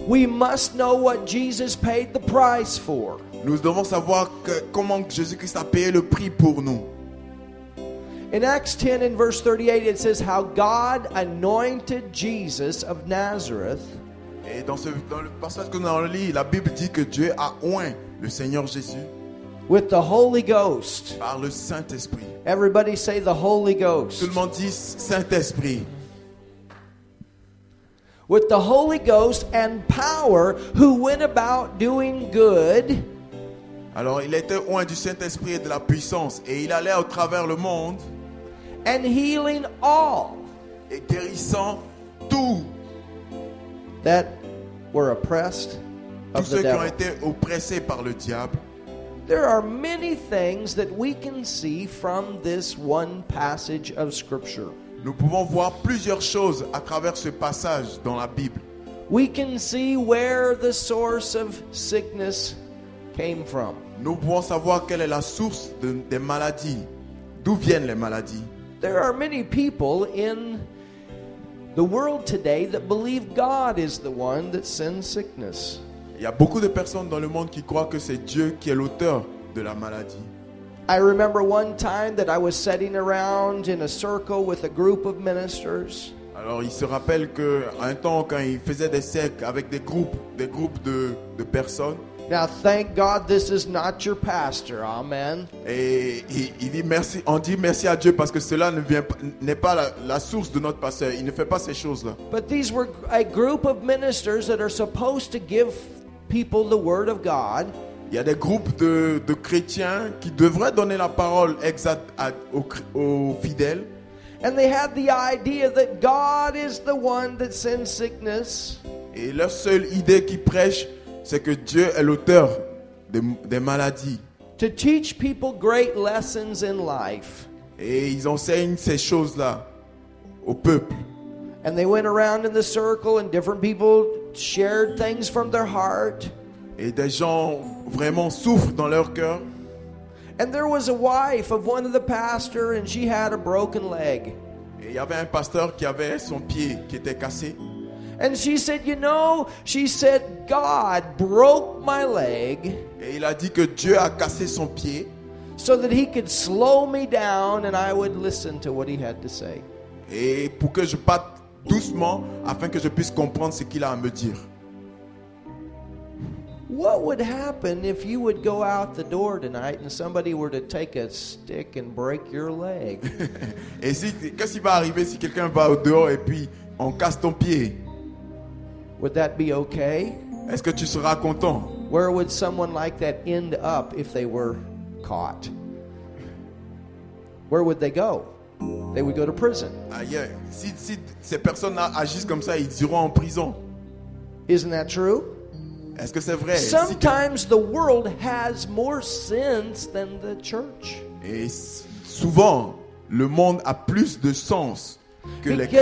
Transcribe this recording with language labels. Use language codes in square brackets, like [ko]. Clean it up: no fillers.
[en] We must know what Jesus paid the price for. [fr] Nous devons savoir comment Jésus-Christ a payé le prix pour nous. [en] In Acts 10 and verse 38, it says how God anointed Jesus of Nazareth. [fr] Et dans le passage que nous avons lu, la Bible dit que Dieu a oint le Seigneur Jésus. [en] With the Holy Ghost. [fr] Par le Saint-Esprit. [en] Everybody say the Holy Ghost. [fr] Tout le monde dit Saint-Esprit. [en] With the Holy Ghost and power who went about doing good. [fr] Alors il était oint du Saint-Esprit et de la puissance et il allait au travers le monde. [en] And healing all. [fr] Et guérissant tout. [en] That were oppressed of [fr] tous ceux [en] the devil. [fr] Qui ont été oppressés par le diable. [en] There are many things that we can see from this one passage of Scripture. [fr] Nous pouvons voir plusieurs choses à travers ce passage dans la Bible. [en] We can see where the source of sickness came from. [fr] Nous pouvons savoir quelle est la source des maladies. D'où viennent les maladies? [en] There are many people in the world today that believe God is the one that sends sickness. [fr] Il y a beaucoup de personnes dans le monde qui croient que c'est Dieu qui est l'auteur de la maladie. [en] I remember one time that I was sitting around in a circle with a group of ministers. [fr] Alors, il se rappelle que un temps quand il faisait des cercles avec des groupes de personnes. [en] Now, thank God this is not your pastor. Amen. [fr] Et il dit merci, on dit merci à Dieu parce que cela ne vient n'est pas la source de notre pasteur, il ne fait pas ces choses-là. [en] But these were a group of ministers that are supposed to give people the word of God. [fr] Il y a des groupes de chrétiens qui devraient donner la parole exacte aux fidèles. [en] And they had the idea that God is the one that sends sickness. [fr] Et leur seule idée qu'ils prêchent, c'est que Dieu est l'auteur des maladies. [en] To teach people great lessons in life. [fr] Et ils enseignent ces choses-là au peuple. [en] And they went around in the circle and different people shared things from their heart. [fr] Et des gens vraiment souffrent dans leur cœur. [en] And there was a wife of one of the pastors and she had a broken leg. [fr] Et il y avait un pasteur qui avait son pied qui était cassé. [en] And she said, you know, she said, God broke my leg. [fr] Et il a dit que Dieu a cassé son pied. [en] So that he could slow me down and I would listen to what he had to say. [fr] Et pour que je batte doucement afin que je puisse comprendre ce qu'il a à me dire. [en] What would happen if you would go out the door tonight and somebody were to take a stick and break your leg? [fr] Et si, qu'est-ce qui va arriver si quelqu'un va au dehors et puis on casse ton pied? [en] Would that be okay? [fr] Est-ce que tu seras content? [en] Where would someone like that end up if they were caught? Where would they go? They would go to prison. Ah yeah. [fr] Si ces personnes-là agissent comme ça, ils iront en prison. [en] Isn't that true? [fr] Est-ce que c'est vrai? [en] Sometimes the world has more sins than the church. [fr] Et souvent, le monde a plus de sens que les chrétiens.